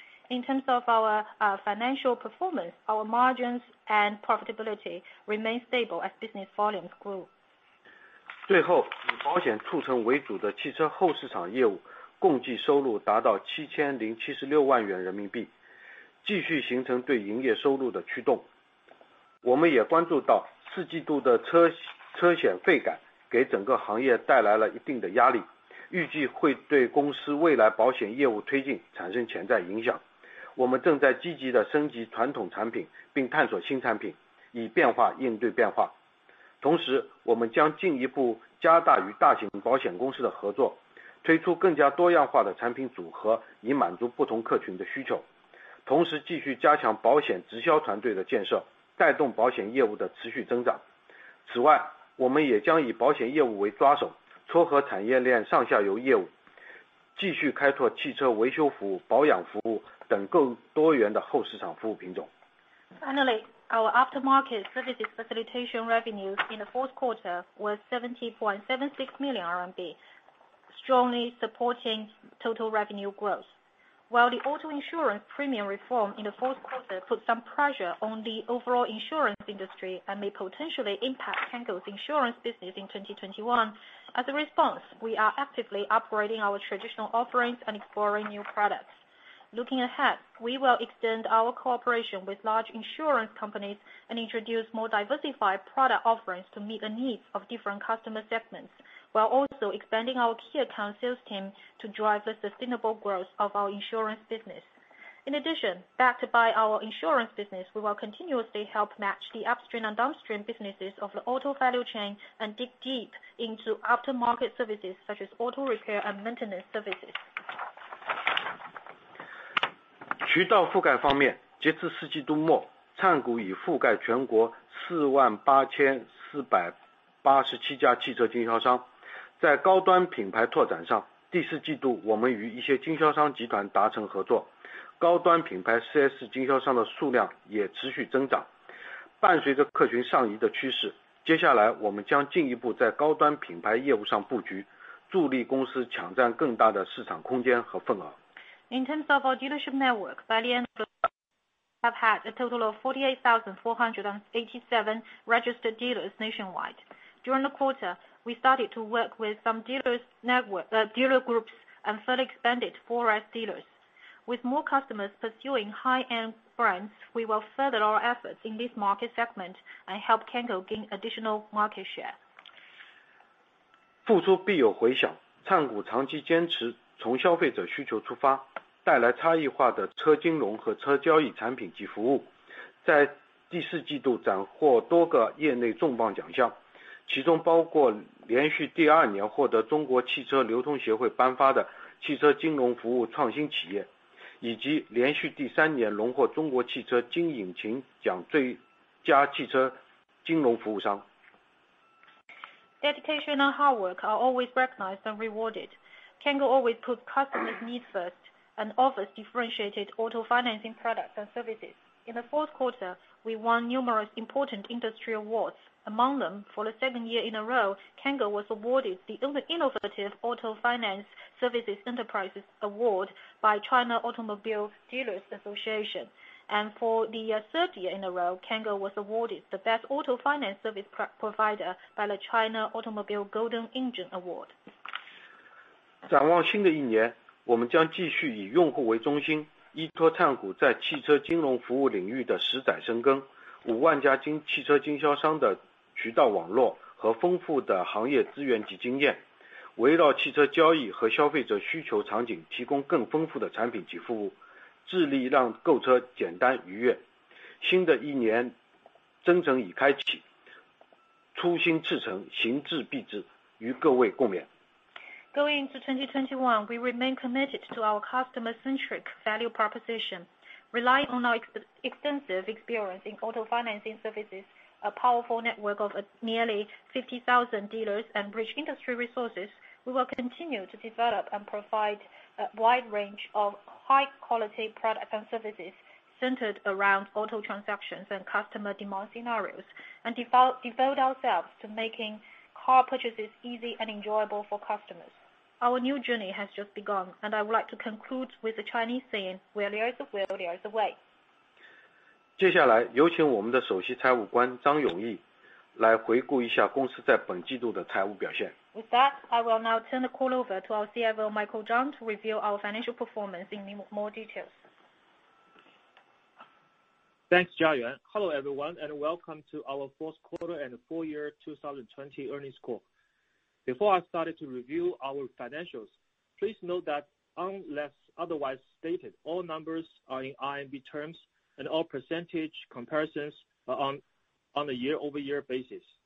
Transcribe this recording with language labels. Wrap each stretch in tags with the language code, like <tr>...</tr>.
<en>In terms of our financial performance, our margins and profitability remained stable as business volumes grew.</en> <zh>最后，以保险促成为主的汽车后市场业务共计收入达到7076万元人民币，继续形成对营业收入的驱动。我们也关注到四季度的车险费改给整个行业带来了一定的压力，预计会对公司未来保险业务推进产生潜在影响。我们正在积极地升级传统产品，并探索新产品，以变化应对变化。同时，我们将进一步加大与大型保险公司的合作，推出更加多样化的产品组合，以满足不同客群的需求。同时，继续加强保险直销团队的建设，带动保险业务的持续增长。此外，我们也将以保险业务为抓手，撮合产业链上下游业务，继续开拓汽车维修服务、保养服务等更多元的后市场服务品种。</zh> <en>Finally. Our aftermarket services facilitation revenues in the fourth quarter were 70.76 million RMB, strongly supporting total revenue growth. While the auto insurance premium reform in the fourth quarter put some pressure on the overall insurance industry and may potentially impact Cango's insurance business in 2021, as a response, we are actively upgrading our traditional offerings and exploring new products. Looking ahead, we will extend our cooperation with large insurance companies and introduce more diversified product offerings to meet the needs of different customer segments, while also expanding our key account sales team to drive the sustainable growth of our insurance business. In addition, backed by our insurance business, we will continuously help match the upstream and downstream businesses of the auto value chain and dig deep into aftermarket services such as auto repair and maintenance services.</en> <zh>渠道覆盖方面，截至四季度末，灿谷已覆盖全国48487家汽车经销商。在高端品牌拓展上，第四季度我们与一些经销商集团达成合作，高端品牌 4S 经销商的数量也持续增长。伴随着客群上移的趋势，接下来我们将进一步在高端品牌业务上布局，助力公司抢占更大的市场空间和份额。</zh> <en>In terms of our dealership network, by the end of the year, we have had a total of 48,487 registered dealers nationwide. During the quarter, we started to work with some dealers dealer groups and further expanded 4S dealers. With more customers pursuing high-end brands, we will further our efforts in this market segment and help Cango gain additional market share.</en> <zh>付出必有回响，灿谷长期坚持从消费者需求出发。带来差异化的车金融和车交易产品及服务，在第四季度斩获多个业内重磅奖项，其中包括连续第二年获得中国汽车流通协会颁发的汽车金融服务创新企业，以及连续第三年荣获中国汽车金引擎奖最佳汽车金融服务商。</zh> <en>Dedication and hard work are always recognized and rewarded. Cango always puts customers' needs first. And offers differentiated auto financing products and services. In the fourth quarter, we won numerous important industry awards. Among them, for the second year in a row, Cango was awarded the Innovative Auto Finance Services Enterprises Award by China Automobile Dealers Association. And for the third year in a row, Cango was awarded the Best Auto Finance Service Provider by the China Automobile Golden Engine Award.</en> <zh>展望新的一年。我们将继续以用户为中心，依托灿谷在汽车金融服务领域的十载深耕，50000家汽车经销商的渠道网络和丰富的行业资源及经验，围绕汽车交易和消费者需求场景提供更丰富的产品及服务，致力让购车简单愉悦。新的一年征程已开启，初心赤诚，行至必至，与各位共勉。</zh> <en>Going into 2021, we remain committed to our customer-centric value proposition, relying on our extensive experience in auto financing services, a powerful network of nearly 50,000 dealers, and rich industry resources. We will continue to develop and provide a wide range of high-quality products and services centered around auto transactions and customer demand scenarios, and devote ourselves to making car purchases easy and enjoyable for customers. Our new journey has just begun, and I would like to conclude with the Chinese saying, where there is a will, there is a way.</en> <zh>接下来有请我们的首席财务官张永毅来回顾一下公司在本季度的财务表现。</zh> <en>With that, I will now turn the call over to our CFO Michael Zhang to review our financial performance in more details. Thanks, Jiayuan. Hello, everyone, and welcome to our fourth quarter and full year 2020 earnings call. Before I started to review our financials, please note that unless otherwise stated, all numbers are in RMB terms and all percentage comparisons are on a year-over-year basis.</en>